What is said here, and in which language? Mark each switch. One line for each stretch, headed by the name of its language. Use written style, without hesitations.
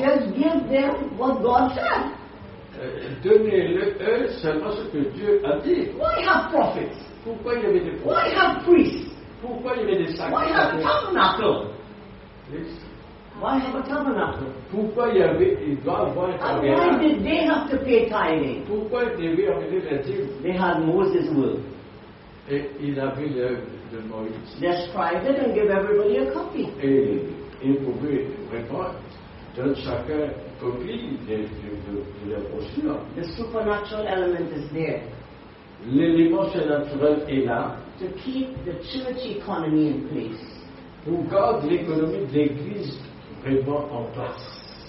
English: Just give them what God said.
French: Donnez-le eux seulement ce que Dieu a dit.
English: Why have prophets?
French: Pourquoi il y avait des prophètes?
English: Why have priests?
French: Pourquoi il y avait des sacrifices?
English: Why have tabernacle? Why have a tabernacle?
French: Pourquoi il y avait, il doit avoir un tabernacle?
English: And why did they have to pay tithing?
French: Pourquoi ils devaient amener la dîme?
English: They had Moses' will.
French: Et il avait l'œuvre de Moïse.
English: Let's scribe it and give everybody a copy.
French: Et ils pouvaient répondre, donne chacun une copie de la brochure.
English: The supernatural element is there.
French: L'élément surnaturel est là.
English: To keep the church economy in place.
French: Pour garder l'économie de l'Église vraiment en place.